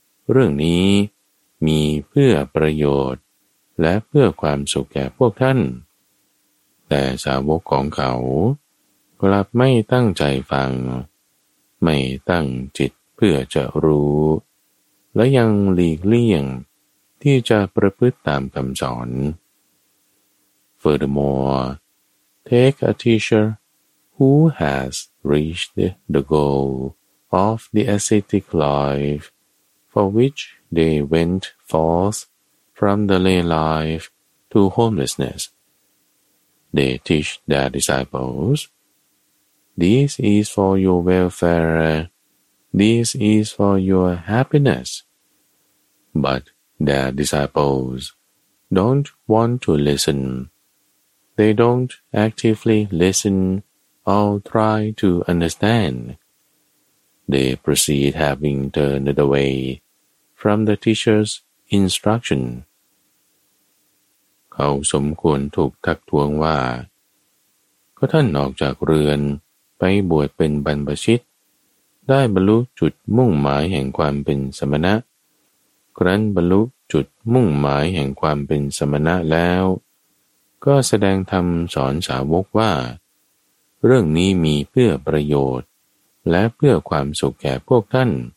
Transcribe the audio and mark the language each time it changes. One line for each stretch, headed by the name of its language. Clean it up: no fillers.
Thai: เรื่องนี้มีเพื่อประโยชน์และเพื่อความสุขแก่พวกท่านแต่สาวกของเขากลับไม่ตั้งใจฟังไม่ตั้งจิตเพื่อจะรู้และยังหลีกเลี่ยงที่จะประพฤติตามคำสอน
English: Furthermore, take a teacher who has reached the goal of the ascetic life for which they went forth from the lay life to homelessness. They teach their disciples, this is for your welfare, this is for your happiness. But their disciples don't want to listen. They don't actively listen or try to understand. They proceed having turned away from the teacher's instruction.
Thai: เขาสมควรถูกทักท้วงว่าก็ท่านออกจากเรือนไปบวชเป็นบรรพชิตได้บรรลุจุดมุ่งหมายแห่งความเป็นสมณะครั้นบรรลุจุดมุ่งหมายแห่งความเป็นสมณะแล้วก็แสดงธรรมสอนสาวกว่าเรื่องนี้มีเพื่อประโยชน์และเพื่อความสุขแก่พวกท่าน